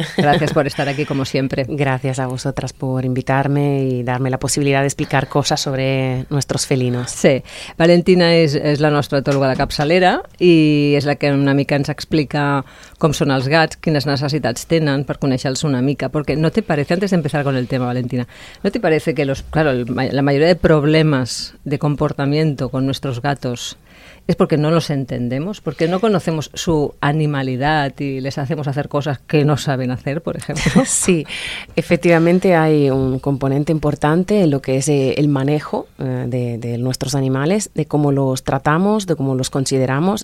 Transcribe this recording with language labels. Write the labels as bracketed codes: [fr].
[es] Gracias por estar aquí, como siempre. Gracias a vosotras por invitarme y darme la posibilidad de explicar cosas sobre nuestros felinos. Sí. [ca] Valentina és la nostra etòloga de capçalera i és la que una mica ens explica com són els gats, quines necessitats tenen per conèixer-los una mica. [es] Porque no te parece, antes de empezar con el tema, Valentina, ¿no te parece que la mayoría de problemas de comportamiento con nuestros gatos es porque no los entendemos, porque no conocemos su animalidad y les hacemos hacer cosas que no saben hacer, por ejemplo? Sí, efectivamente hay un componente importante en lo que es el manejo de nuestros animales, de cómo los tratamos, de cómo los consideramos.